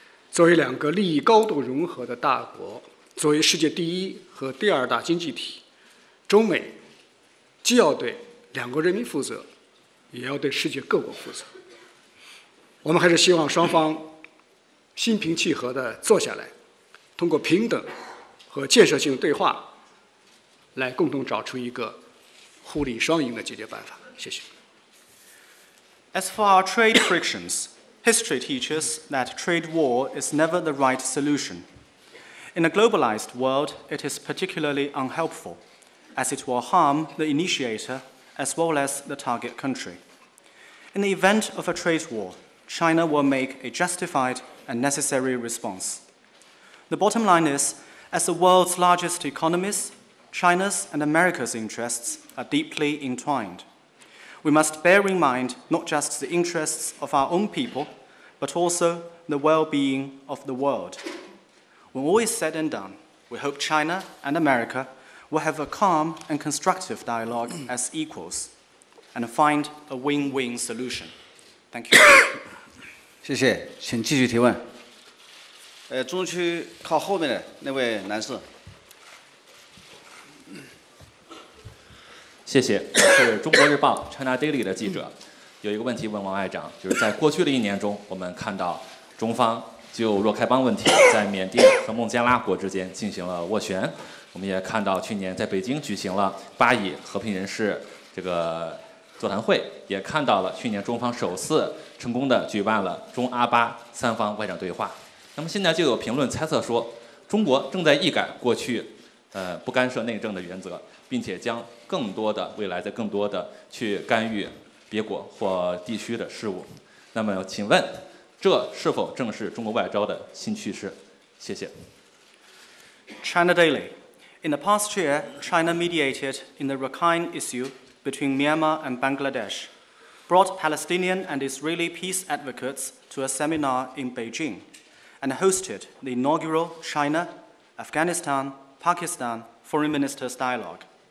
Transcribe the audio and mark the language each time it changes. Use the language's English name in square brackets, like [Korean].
[Chinese] 作为两个利益高度融合的大国，作为世界第一和第二大经济体，中美既要对两国人民负责，也要对世界各国负责。我们还是希望双方心平气和地坐下来，通过平等和建设性对话来共同找出一个互利双赢的解决办法。谢谢。 [English] As for our trade frictions, history teaches that trade war is never the right solution. In a globalized world, it is particularly unhelpful, as it will harm the initiator as well as the target country. In the event of a trade war, China will make a justified and necessary response. The bottom line is, as the world's largest economies, China's and America's interests are deeply entwined. We must bear in mind not just the interests of our own people, but also the well-being of the world. When all is said and done, we hope China and America will have a calm and constructive dialogue as equals and find a win-win solution. Thank you. [Chinese] 谢谢，请继续提问。中区靠后面的那位男士。谢谢，我是中国日报 China Daily 的记者，有一个问题问王外长，就是在过去的一年中，我们看到中方就若开邦问题在缅甸和孟加拉国之间进行了斡旋，我们也看到去年在北京举行了巴以和平人士这个座谈会，也看到了去年中方首次成功的举办了中阿巴三方外长对话。那么现在就有评论猜测说，中国正在一改过去不干涉内政的原则，并且将更多的未来在更多的去干预别国或地区的事务。那么请问这是否正是中国外交的新趋势？谢谢。 [English] China Daily. In the past year, China mediated in the Rakhine issue between Myanmar and Bangladesh, brought Palestinian and Israeli peace advocates to a seminar in Beijing, and hosted the inaugural China, Afghanistan, Pakistan Foreign Minister's Dialogue.